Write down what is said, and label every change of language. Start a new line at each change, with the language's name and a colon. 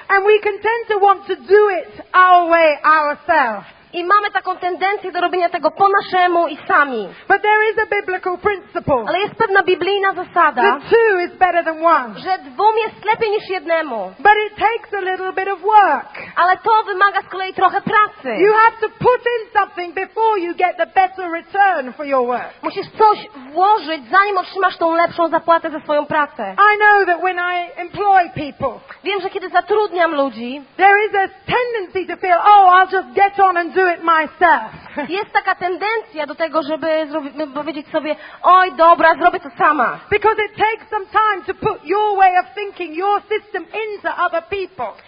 English: And we can tend to want to do it our way ourselves.
Polish: I mamy taką tendencję do robienia tego po naszemu i sami.
English: But there is a biblical principle.
Polish: Ale jest pewna biblijna zasada,
English: two is better than one.
Polish: Że dwóm jest lepiej niż jednemu.
English: But it takes a little bit of work.
Polish: Ale to wymaga z kolei trochę pracy.
English: You have to put in something before you get the better return for your work.
Polish: Musisz coś włożyć, zanim otrzymasz tą lepszą zapłatę za swoją pracę.
English: I know that when I employ people,
Polish: wiem, że kiedy zatrudniam ludzi,
English: there is a tendency to feel, oh, I'll just get on and do it myself.
Polish: Jest taka tendencja do tego, żeby powiedzieć sobie, oj, dobra, zrobię to sama.
English: Because it takes some time to put your way of thinking, your system into other people.